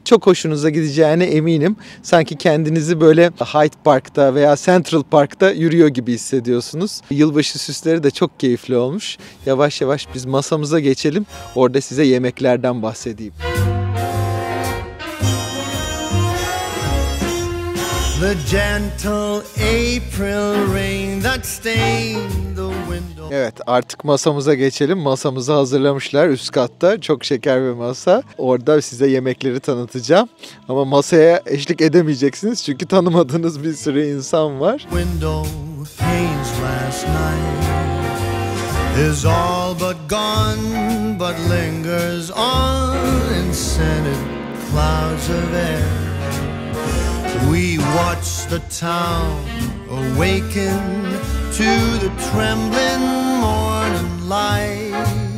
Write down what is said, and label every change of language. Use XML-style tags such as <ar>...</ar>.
<tr>Çok hoşunuza gideceğine eminim. Sanki kendinizi böyle Hyde Park'ta veya Central Park'ta yürüyor gibi hissediyorsunuz. Yılbaşı süsleri de çok keyifli olmuş. Yavaş yavaş biz masamıza geçelim. Orada size yemeklerden bahsedeyim.</tr> <en>The gentle April rain that stained the window.</en> <tr>Evet, artık masamıza geçelim. Masamızı hazırlamışlar üst katta. Çok şeker bir masa. Orada size yemekleri tanıtacağım. Ama masaya eşlik edemeyeceksiniz çünkü tanımadığınız bir sürü insan var.</tr> <en>Window panes last night is all but gone, but lingers on in scented clouds of air. We watch the town awaken to the trembling morning light.</en>